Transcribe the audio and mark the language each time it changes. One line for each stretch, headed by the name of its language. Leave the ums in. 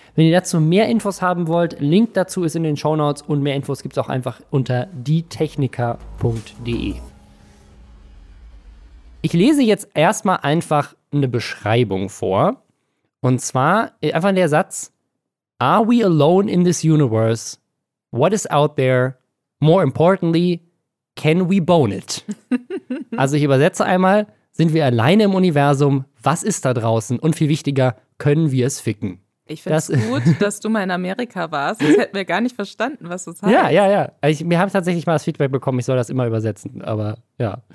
German: Wenn ihr dazu mehr Infos haben wollt, Link dazu ist in den Show Notes und mehr Infos gibt es auch einfach unter dietechniker.de. Ich lese jetzt erstmal einfach eine Beschreibung vor. Und zwar äh, einfach der Satz:
English: Are we alone in this universe? What is out there? More importantly, can we bone it?
German: also, ich übersetze einmal: Sind wir alleine im Universum? Was ist da draußen? Und viel wichtiger, können wir es ficken? Ich finde es Das- gut, dass du mal in Amerika warst. Das hätten wir gar nicht verstanden, was du sagst. Ja, ja, ja. Ich, mir haben tatsächlich mal das Feedback bekommen, ich soll das immer übersetzen, aber ja.